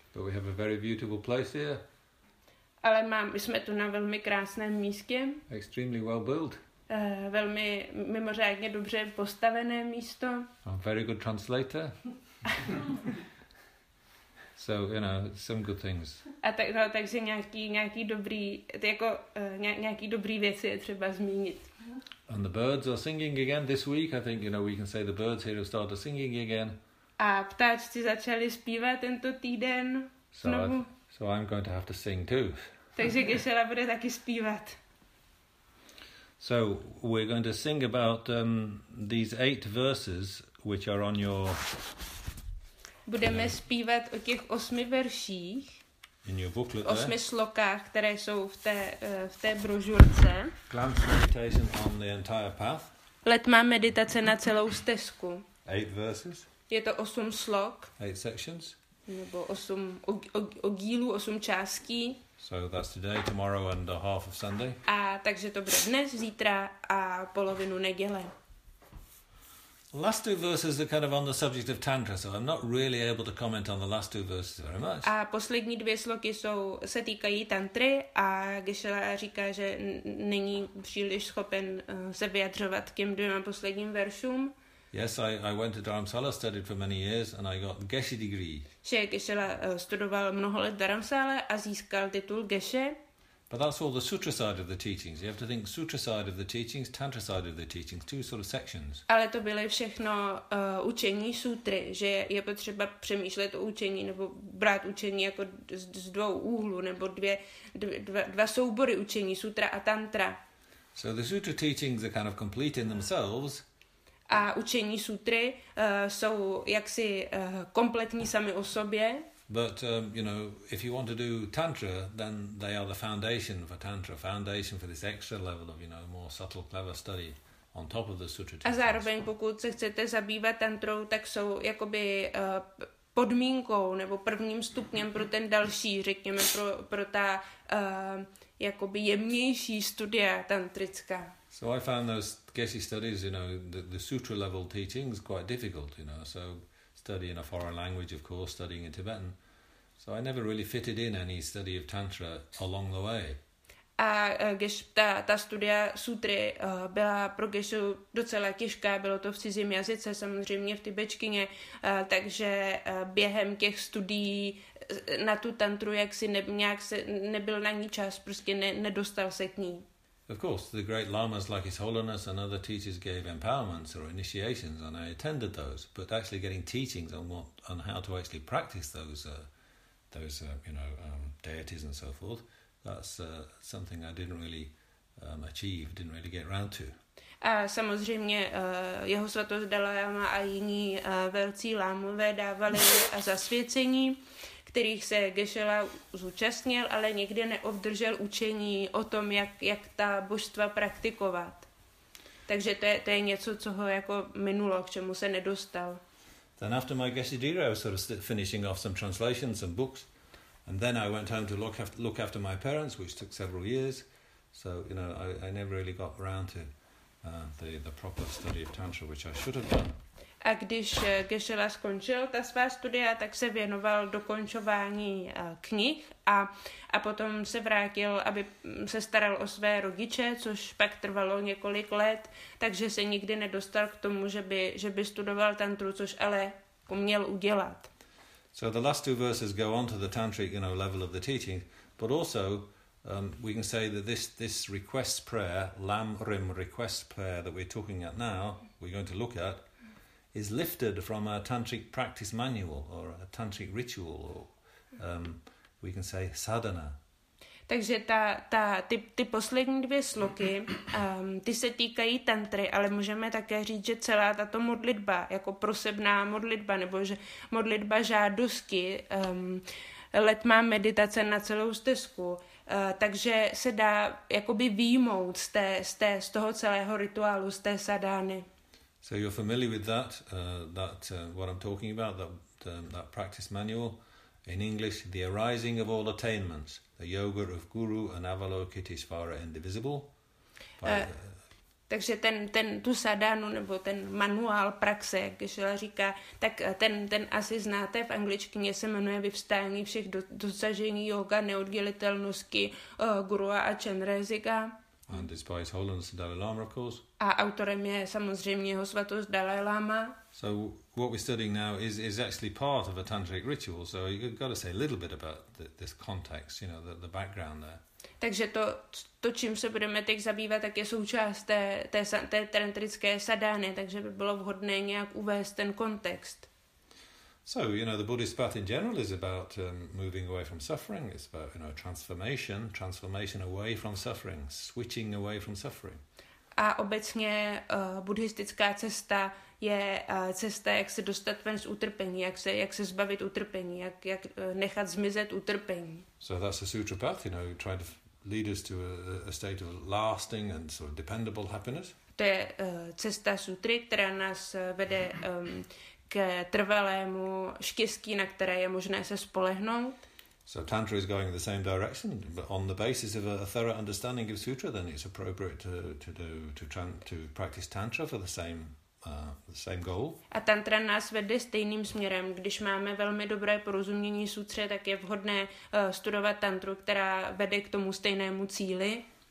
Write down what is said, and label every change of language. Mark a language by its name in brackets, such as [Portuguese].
[English] But we have a very beautiful place here. [Czech] Ale jsme tu na velmi krásném místě. [English] Extremely well built. [Czech] Velmi mimořádně dobře postavené místo. [English] I'm a very good translator. So, you know, some good things. [Czech] A tak, no, takže nějaký dobrý věci je třeba zmínit. [English] And the birds are singing again this week. I think, you know, we can say the birds here have started singing again. [Czech] A ptáčci začali zpívat tento týden znovu. [English] So I'm going to have to sing too. [Czech] Takže Kešela bude taky zpívat. [English] So we're going to sing about these 8 verses which are on your... [Czech] Budeme zpívat o těch 8 verších, osmi slokách, které jsou v té brožurce. [English] Glance meditation on the entire path. [Czech] Letmá meditace na celou stezku. [English] 8 verses. [Czech] Je to 8 slok. [English] 8 sections. [Czech] Nebo 8 oddílů, 8 částí. [English] So that's today, tomorrow and a half of Sunday. [Czech] A takže to bude dnes, zítra a polovinu neděle. [English] Last two verses are kind of on the subject of tantra, so I'm not really able to comment on the last two verses very much. [Czech] A poslední dvě sloky se týkají tantry a Geshe-la říká, že není příliš schopen se vyjadřovat k těm dvěma posledním veršům. [English] Yes, I went to Dharamsala, studied for many years and I got Geshe degree. [Czech] Že Geshe-la studoval mnoho let Dharamsala a získal titul Geshe. [English] But that's all the sutra side of the teachings. You have to think sutra side of the teachings, tantra side of the teachings, two sort of sections. [Czech] Ale to byly všechno učení sutry, že je potřeba přemýšlet o učení nebo brát učení jako z dvou úhlů nebo dva soubory učení sutra a tantra. [English] So the sutra teachings are kind of complete in themselves. [Czech] A učení sutry jsou jaksi kompletní sami o sobě. [English] But you know, if you want to do tantra, then they are the foundation for tantra, foundation for this extra level of, you know, more subtle, clever study on top of the sutra. [Czech] A zároveň, pokud se chcete zabývat tantrou, tak jsou jakoby podmínkou nebo prvním stupněm pro ten další, řekněme, pro ta jakoby jemnější studia tantrická. [English] So I found those Geshe studies, you know, the sutra level teachings quite difficult, you know, so. Study in a foreign language, of course, studying in Tibetan. So I never really fitted in any study of tantra along the way. [Czech] A ta studia sutry byla pro Geshe docela těžká, bylo to v cizím jazyce, samozřejmě v tibetštině, takže během těch studií na tu tantru jaksi nebyl na ní čas, prostě nedostal se k ní. [English] Of course, the great lamas like His Holiness and other teachers gave empowerments or initiations, and I attended those. But actually, getting teachings on how to actually practice those deities and so forth, that's something I didn't really achieve, didn't really get around to. [Czech] A samozřejmě Jeho Svatost Dalai Lama a jiní velcí lámové dávali zasvěcení, kterých se Geshe-la zúčastnil, ale nikdy neobdržel učení o tom, jak ta božstva praktikovat. Takže to je něco, co ho jako minulo, k čemu se nedostal. [English] Then after my Geshe degree, I was sort of finishing off some translations, some books, and then I went home to look after my parents, which took several years. So, you know, I never really got around to the proper study of tantra, which I should have done. [Czech] A když Geshe-la skončil ta svá studia, tak se věnoval dokončování knih a potom se vrátil, aby se staral o své rodiče, což pak trvalo několik let, takže se nikdy nedostal k tomu, že by studoval tantru, což ale uměl udělat. [English] So the last two verses go on to the tantric, you know, level of the teaching, but also we can say that this request prayer, Lam Rim request prayer that we're talking at now, we're going to look at, is lifted from a tantric practice manual or a tantric ritual or we can say sadhana. [Czech] Takže ty poslední dvě sloky, ty se týkají tantry, ale můžeme také říct, že celá tato modlitba, jako prosebná modlitba, nebo že modlitba žádosti, letmá meditace na celou stezku, takže se dá jakoby výjmout z toho celého rituálu, z té sadány. [English] So you're familiar with that, what I'm talking about, that practice manual. In English, the arising of all attainments, the yoga of Guru and Avalokiteshvara indivisible. [Czech] Takže ten tu sadánu nebo ten manuál praxe, jak Gešela říká, tak ten asi znáte, v angličtině se jmenuje Vyvstání všech dosažení yoga neoddělitelnosti Guru a Chandrasika. [English] And it's by His Holiness Dalai Lama, of course. [Czech] A autorem je samozřejmě Jeho Svatost Dalai Lama. [English] So what we're studying now is actually part of a tantric ritual. So you've got to say a little bit about this context, you know, the background there. [Czech] Takže to čím se budeme teď zabývat, tak je součást té tantrické sadány, takže by bylo vhodné nějak uvést ten kontext. [English] So, you know, the Buddhist path in general is about moving away from suffering. It's about, you know, transformation away from suffering, switching away from suffering. [Czech] A obecně buddhistická cesta je cesta, jak se dostat ven z utrpení, jak se zbavit utrpení, jak nechat zmizet utrpení. [English] So that's a sutra path, you know, trying to lead us to a state of lasting and sort of dependable happiness. [Czech] To je cesta sutry, která nás vede k trvalému štěstí, na které je možné se spolehnout. [English] So tantra is going in the same direction, but on the basis of a thorough understanding of sutra, then it's appropriate to practice tantra for the same goal. [Czech] A tantra nás vede stejným směrem. Když máme velmi dobré porozumění sutře, tak je vhodné studovat tantru, která vede k tomu stejnému cíli.